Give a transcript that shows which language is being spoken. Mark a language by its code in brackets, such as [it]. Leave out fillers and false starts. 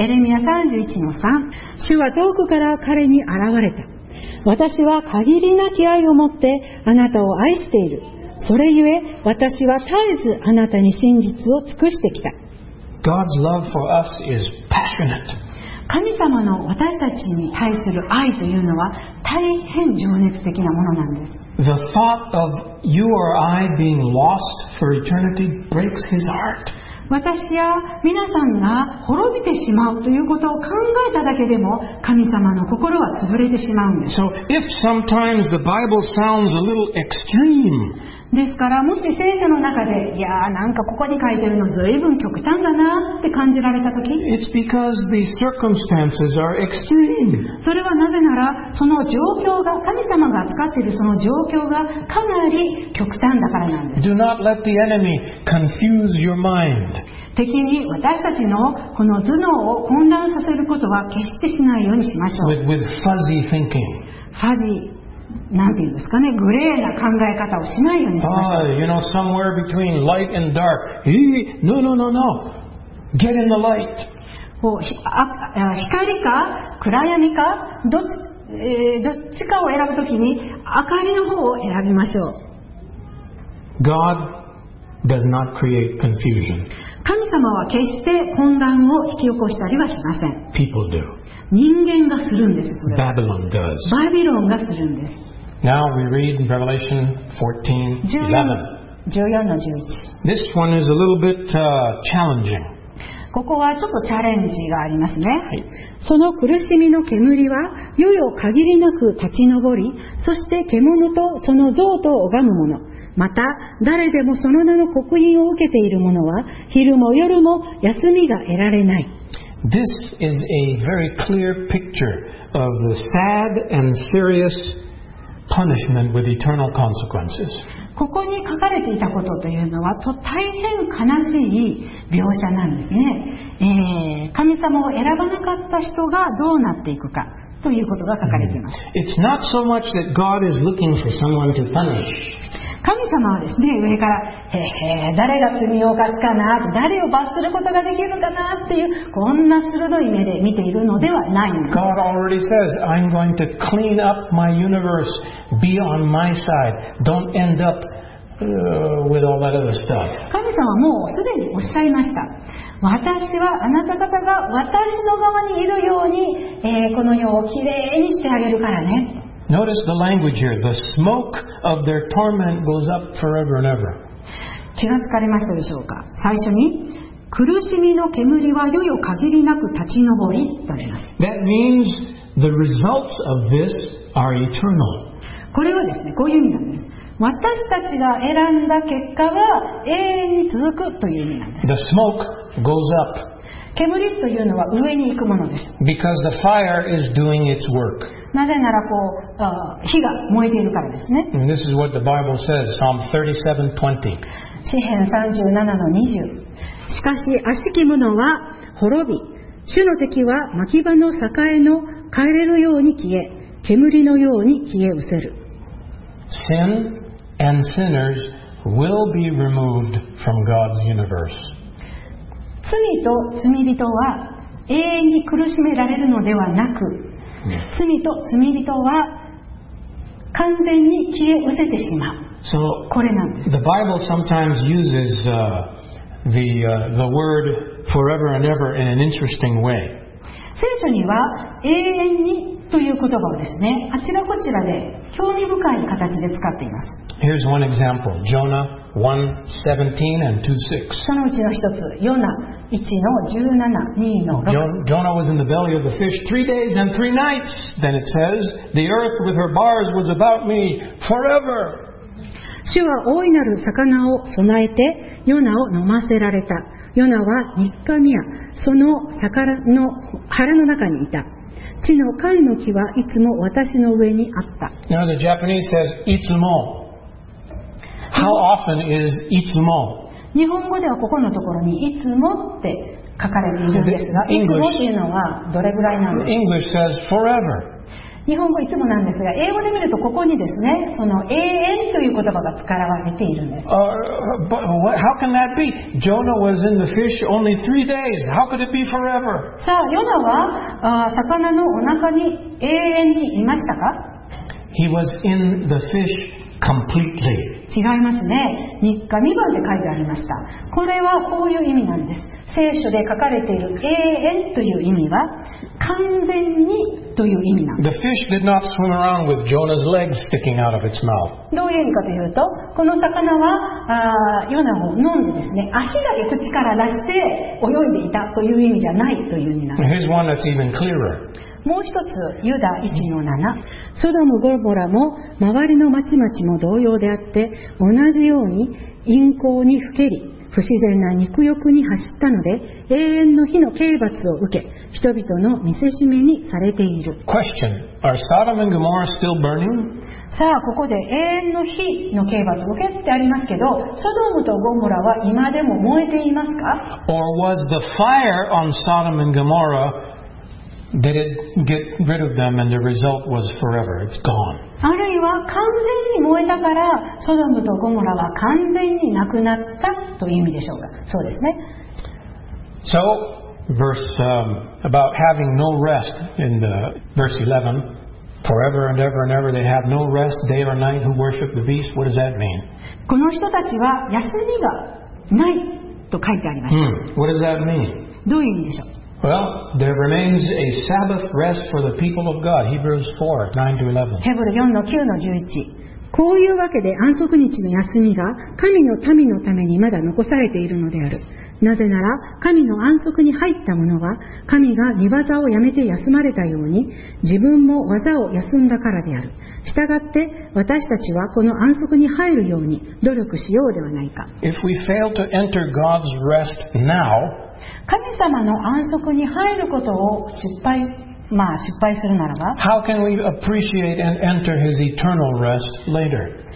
[ja] エレミア 31:3 主は遠くから彼に現れた私は限りなき愛を持ってあなたを愛しているそれゆえ私は絶えずあなたに真実を尽くしてきた [en] God's love for us is passionate. [ja] 神様の私たちに対する愛というのは大変情熱的なものなんです [en] The thought of you or I being lost for eternity breaks his heart. [ja] 私や皆さんが滅びてしまうということを考えただけでも神様の心は潰れてしまうんです。 [en] So if sometimes the Bible sounds a little extreme, [ja] ですからもし聖書の中でいやなんかここに書いてるのずいぶん極端だなって感じられたとき、 [en] it's because the circumstances are extreme. [ja] それはなぜならその状況が神様が扱っているその状況がかなり極端だからなんです。 [en] Do not let the enemy confuse your mind. [ja] 敵に私たちのこの頭脳を混乱させることは決してしないようにしましょう。 [en] With fuzzy thinking. Fuzzy. [ja] なんていうんですかね、グレーな考え方をしないようにしましょう。 [en] You know, somewhere between light and dark. No. Get in the light. [ja] 光か暗闇か どっちかを選ぶときに明かりの方を選びましょう。 [en] God does not create confusion. [ja] 神様は決して混乱を引き起こしたりはしません。 [en] People do. [ja] 人間がするんです。 [en] Babylon does. [ja] バビロンがするんです。 [en] Now we read in Revelation 14:11. This one is a little bit challenging. [ja] ここはちょっとチャレンジがありますね。その苦しみの煙は世々限りなく立ち上り、そして獣とその像と拝む者、また誰でもその名の刻印を受けている者は昼も夜も休みが得られない。 [en] This is a very clear picture of the sad and serious punishment with eternal consequences. [ja] ここに書かれていたことというのは大変悲しい描写なんですね。神様を選ばなかった人がどうなっていくかということが書かれています。 [en] It's not so much that God is looking for someone to punish. [ja] 神様はですね、上から誰が罪を犯すかな、誰を罰することができるかなっていうこんな鋭い目で見ているのではないんです。 [en] God already says, I'm going to clean up my universe. Be on my side. Don't end up with all that other stuff. [ja] 神様はもうすでにおっしゃいました。私はあなた方が私の側にいるように、この世をきれいにしてあげるからね。 [en] Notice the language here. The smoke of their torment goes up forever and ever. [ja] 気がつかれましたでしょうか。最初に苦しみの煙は世々限りなく立ち上りとあります。 [en] That means the results of this are eternal. [ja] これはですね、こういう意味なんです。私たちが選んだ結果は永遠に続くという意味なんです。 [en] The smoke goes up. [ja] 煙というのは上に行くものです。 [en] Because the fire is doing its work. [ja] なぜならこう、火が燃えているからですね。 [en] And this is what the Bible says, Psalm 37:20. [ja] 詩編37:20。しかし悪しき者は滅び、主の敵は牧場の栄の枯れるように消え、煙のように消え失せる。 [en] Sin and sinners will be removed from God's universe. [ja] 罪と罪人は永遠に苦しめられるのではなく、罪と罪人は完全に消え失せてしまう。 [en] So, [ja] これなんです。 [en] The Bible sometimes uses the word forever and ever in an interesting way. [ja] 聖書には永遠にという言葉をですね、あちらこちらで興味深い形で使っています。 [en] Here's one example, Jonah 1:17 and 2:6. [ja] そのうちの一つ、ヨナ1の17、2の6。 [en] Jonah was in the belly of the fish 3 days and 3 nights. Then it says, the earth with her bars was about me forever. [ja] 主は大いなる魚を備えてヨナを飲ませられた。ヨナは三日三夜その魚の腹の中にいた。地の貝の木はいつも私の上にあった。 [en] You know, the Japanese says, いつも。 How often is いつも？ [ja] 日本語ではここのところにいつもって書かれているんですが、いつもっていうのはどれぐらいなんですか？ [en] English says forever. [ja] 日本語いつもなんですが、英語で見るとここにですね、その永遠という言葉が使われているんです。 [en] But how can that be? Jonah was in the fish only 3 days. How could it be forever? [ja] さあ、ヨナは魚のお腹に永遠にいましたか？ [en] He was in the fish. Completely. [ja] 違いますね。 3日2番で書いてありました。これはこういう意味なんです。聖書で書かれている永遠という意味は完全にという意味なんです。 [en] The fish did not swim around with Jonah's legs sticking out of its mouth. [ja] どういう意味かというと、この魚はヨナを飲んでですね、足だけ口から出して泳いでいたという意味じゃないという意味なんです。 [en] Here's one that's even clearer. [ja] もう一つ、ユダ1:7。ソドム・ゴモラも周りの町々も同様であって、同じように淫行にふけり、不自然な肉欲に走ったので、永遠の火の刑罰を受け、人々の見せしめにされている。 [en] Question: Are Sodom and Gomorrah still burning? [ja] さあ、ここで永遠の火の刑罰を受けってありますけど、ソドムとゴモラは今でも燃えていますか？ [en] Or was the fire on Sodom and Gomorrah? Did it get rid of them and the result was forever? It's gone. [ja] あるいは完全に燃えたからソドムとゴモラは完全になくなったという意味でしょうか。そうですね。 [en] So, verse, about having no rest in the verse 11, forever and ever and ever they have no rest day or night who worship the beast. What does that mean? [ja] この人たちは休みがないと書いてありました。 [en] What does that mean? [ja] どういう意味でしょう。 [en] Well, there remains a Sabbath rest for the people of God. Hebrews 4:9-11. [ja] ヘブル4:9-11. こういうわけで安息日の休みが神の民のためにまだ残されているのである。なぜなら神の安息に入った者は神が御業をやめて休まれたように自分も業を休んだからである。したがって私たちはこの安息に入るように努力しようではないか。 [en] If we fail to enter God's rest now, [ja] 神様の安息に入ることを失敗するならば、 [en] How can we appreciate and enter his eternal rest later?